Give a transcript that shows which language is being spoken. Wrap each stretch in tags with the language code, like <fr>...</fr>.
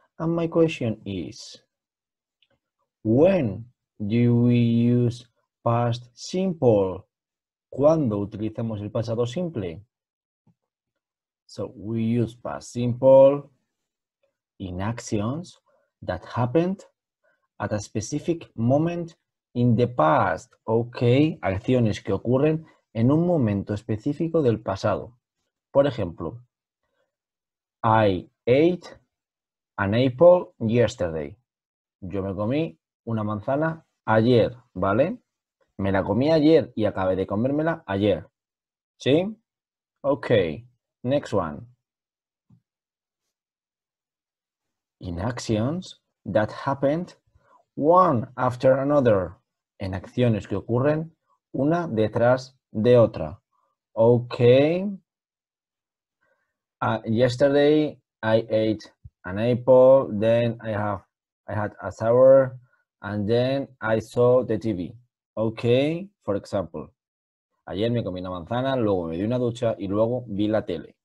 <en>And my question is, when do we use past simple?</en> <es>¿Cuándo utilizamos el pasado simple?</es> <en>So, we use past simple in actions that happened at a specific moment in the past, okay?</en> <es>Acciones que ocurren en un momento específico del pasado. Por ejemplo,</es> <en>I ate an apple yesterday.</en> <es>Yo me comí una manzana ayer, ¿vale? Me la comí ayer y acabé de comérmela ayer. ¿Sí?</es> <en>Ok, next one. In actions that happened one after another.</en> <es>En acciones que ocurren una detrás de otra.</es> <en>Ok. Yesterday I ate an apple, then I had a sour, and then I saw the TV. Okay, for example.</en> <es>Ayer me comí una manzana, luego me di una ducha y luego vi la tele.</es>